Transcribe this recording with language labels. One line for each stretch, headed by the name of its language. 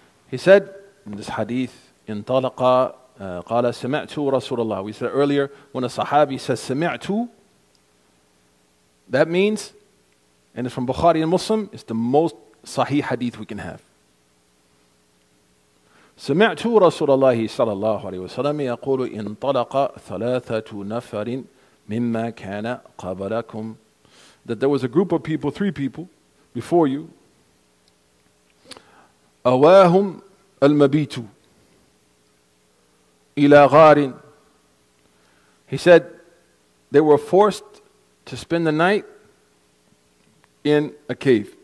English: He said in this hadith,
Arabic: intalaqa qala sami'tu Rasulullah.
English: We said earlier, when a sahabi says sami'tu, that means, and it's from Bukhari and Muslim, it's the most sahih hadith we can have.
Arabic: سمعتُ رسول الله صلى الله عليه وسلم يقول انطلق ثلاثة نفر مما كان قبلكم.
English: That there was a group of people, three people, before you.
Arabic: أواهم المبيت إلى غار.
English: He said they were forced to spend the night in a cave.